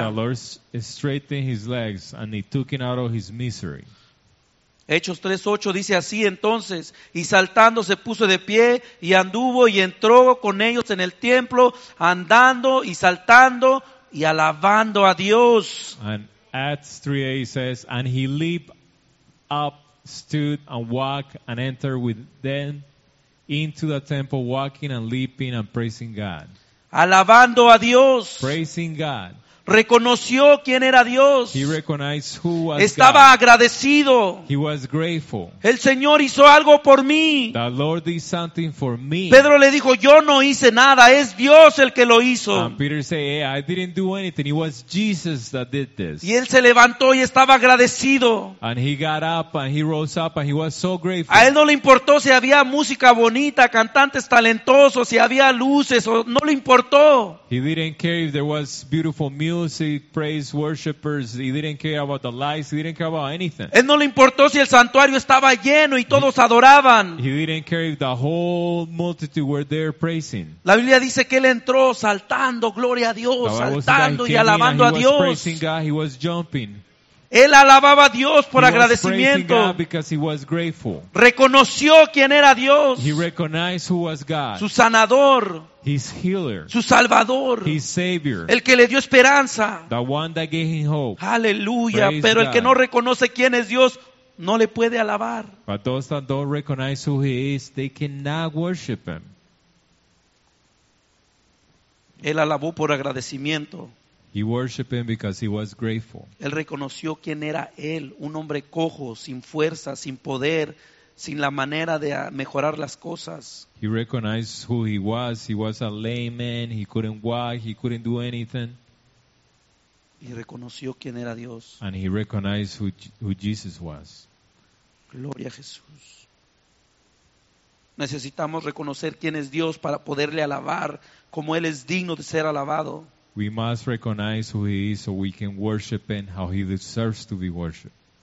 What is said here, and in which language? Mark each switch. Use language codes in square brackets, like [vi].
[en] The Lord straightened his legs and he took him out of his misery. [es] Hechos 3:8 dice así entonces, y saltando se puso de pie y anduvo y entró con ellos en el templo, andando y saltando y alabando a Dios. [en] And Acts 3:8 says, and he leaped up, stood and walked and entered with them into the temple, walking and leaping and praising God. [es] Alabando a Dios. [en] Praising God. [es] Reconoció quién era Dios. [en] He recognized who was God. [es] Estaba agradecido. [en] He was grateful. [es] El Señor hizo algo por mí. [en] The Lord did something for me. [es] Pedro le dijo, yo no hice nada, es Dios el que lo hizo. [en] And Peter said, hey, I didn't do anything. It was Jesus that did this. [es] Y él se levantó y estaba agradecido. [en] And he got up and he rose up and he was so grateful. [es] A él no le importó si había música bonita, cantantes talentosos, si había luces, o no le importó. [en] He didn't care if there was beautiful music, praise worshipers. He didn't care about the lights. He didn't care about anything. [es] Él no le importó si el santuario estaba lleno y todos adoraban. [en] He didn't care if the whole multitude were there praising. [es] La Biblia dice que él entró saltando, gloria a Dios, saltando y alabando a Dios. [en] He was praising God. He was jumping. [es] Él alababa a Dios por agradecimiento. Reconoció quién era Dios. [en] He recognized who was God. [es] Su sanador. [en] His healer. [es] Su salvador. [en] His savior. [es] El que le dio esperanza. [en] The one that gave him hope. [es] Aleluya. [en] Praise [es] Pero [en] God. [es] El que no reconoce quién es Dios no le puede alabar. [en] But those that don't recognize who he is, they cannot worship him. [es] Él alabó por agradecimiento. [en] He worshiped him because he was grateful. [es] Él reconoció quién era él, un hombre cojo, sin fuerza, sin poder, sin la manera de mejorar las cosas. [en] He recognized who he was. He was a layman. He couldn't walk. He couldn't do anything. [es] Y reconoció quién era Dios. [en] And he recognized who Jesus was. [es] Gloria a Jesús. Necesitamos reconocer quién es Dios para poderle alabar como él es digno de ser alabado. [en] We must recognize who he is so we can worship him how he deserves to be worshipped.